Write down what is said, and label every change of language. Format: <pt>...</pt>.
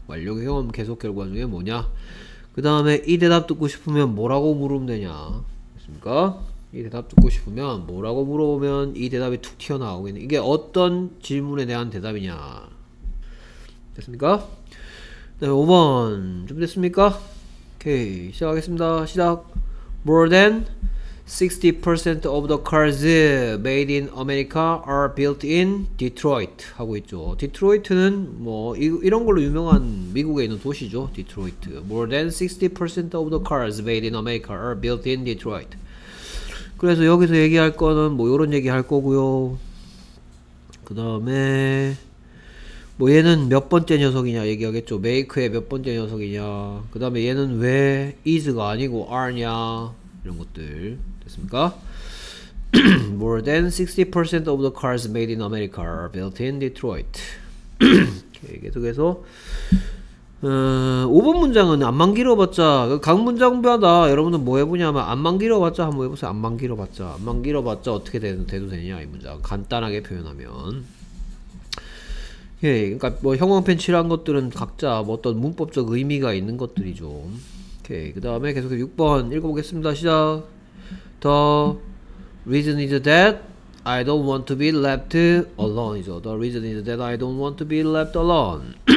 <ko>완료 경험 계속 결과 중에 뭐냐? 그 다음에 이 대답 듣고 싶으면 뭐라고 물으면 되냐? 됐습니까? 이 대답 듣고 싶으면 뭐라고 물어보면 이 대답이 툭 튀어나오겠네. 이게 어떤 질문에 대한 대답이냐? 됐습니까? 네, 5번 준비됐습니까? 오케이, 시작하겠습니다. 시작.</ko> <en>More than 60% of the cars made in America are built in Detroit</en> <ko>하고 있죠. 디트로이트는 뭐 이런 걸로 유명한 미국에 있는 도시죠. 디트로이트.</ko> <en>More than 60% of the cars made in America are built in Detroit.</en> <ko>그래서 여기서 얘기할 거는 뭐 이런 얘기할 거고요. 그 다음에 뭐 얘는 몇 번째 녀석이냐 얘기하겠죠. 메이크의 몇 번째 녀석이냐. 그 다음에 얘는 왜 is가 아니고 are냐 이런 것들 됐습니까?</ko> <en>More than 60% of the cars made in America are built in Detroit.</en> <ko>계속해서 5번 문장은 암만 길어봤자 각 문장마다 여러분들 뭐 해보냐면 암만 길어봤자 한번 해보세요. 암만 길어봤자 어떻게 돼도 되냐 이 문장 간단하게 표현하면. 예, 그러니까 뭐 형광펜 칠한 것들은 각자 뭐 어떤 문법적 의미가 있는 것들이죠. 오케이, 그 다음에 계속해서 6번 읽어보겠습니다. 시작.</ko> <en>The reason is that I don't want to be left alone이죠. The reason is that I don't want to be left alone.</en>